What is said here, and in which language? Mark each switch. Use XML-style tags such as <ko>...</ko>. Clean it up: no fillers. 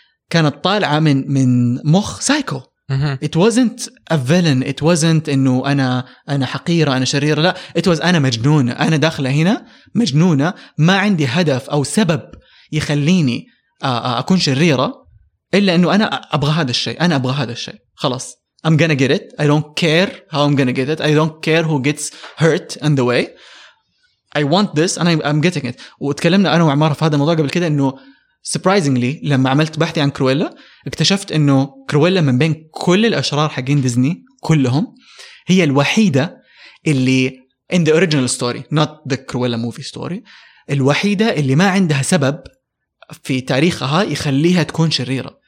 <ar>كانت طالعة من مخ سايكو</ar> <en>it wasn't a villain it wasn't</en> <ar>إنه أنا حقيرة أنا شريرة لا</ar> <en>it was</en> <ar>أنا مجنونة أنا داخلة هنا مجنونة ما عندي هدف أو سبب يخليني أكون شريرة إلا إنه أنا أبغى هذا الشيء أنا أبغى هذا الشيء خلاص</ar> <en>I'm gonna get it. I don't care how I'm gonna get it. I don't care who gets hurt in the way. I want this and I'm getting it.</en> <ar>وتكلمنا أنا وعمار في هذا الموضوع قبل كده إنه</ar> <en>surprisingly</en> <ar>لما عملت بحثي عن كرويلا اكتشفت إنه كرويلا من بين كل الأشرار حقين ديزني كلهم هي الوحيدة اللي</ar> <en>in the original story not the Cruella movie story</en> <ar>الوحيدة اللي ما عندها سبب في تاريخها يخليها تكون شريرة.</ar>